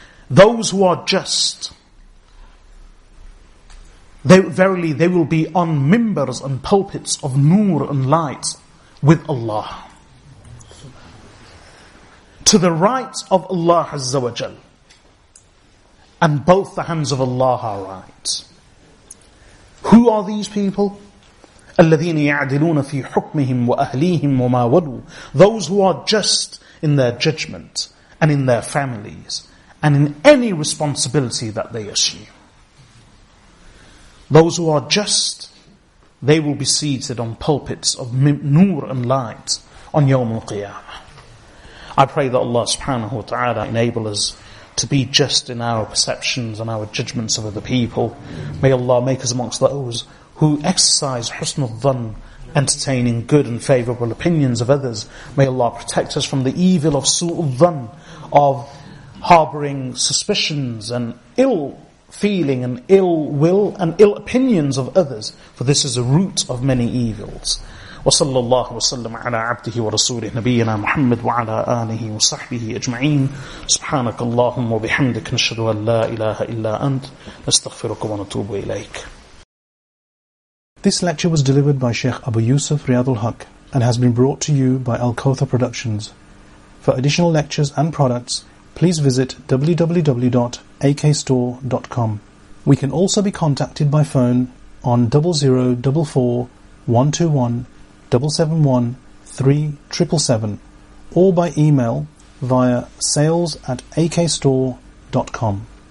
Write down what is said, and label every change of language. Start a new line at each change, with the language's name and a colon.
English: Those who are just, they will be on mimbers and pulpits of nur and light with Allah. To the right of Allah Azza wa Jal. And both the hands of Allah are right. Who are these people?
Arabic: الذين يعدلون في حكمهم وأهليهم وما ولوا.
English: Those who are just in their judgment and in their families and in any responsibility that they assume. Those who are just, they will be seated on pulpits of nur and light on Yawm al-Qiyamah. I pray that Allah subhanahu wa ta'ala enable us to be just in our perceptions and our judgments of other people. May Allah make us amongst those who exercise husn al-dhan, entertaining good and favourable opinions of others. May Allah protect us from the evil of su al-dhan, of harbouring suspicions and ill feeling and ill will and ill opinions of others, for this is a root of many evils.
Arabic: وصلى الله وسلم على عبده ورسوله نبينا محمد وعلى آله وصحبه أجمعين سبحانك اللهم وبحمدك نشهد أن لا إله إلا أنت نستغفرك ونتوب إليك.
English: This lecture was delivered by Sheikh Abu Yusuf Riyad al-Haq and has been brought to you by Al-Kawthar Productions. For additional lectures and products, please visit www.akstore.com. We can also be contacted by phone on 0044 121 771 377 or by email via sales@akstore.com.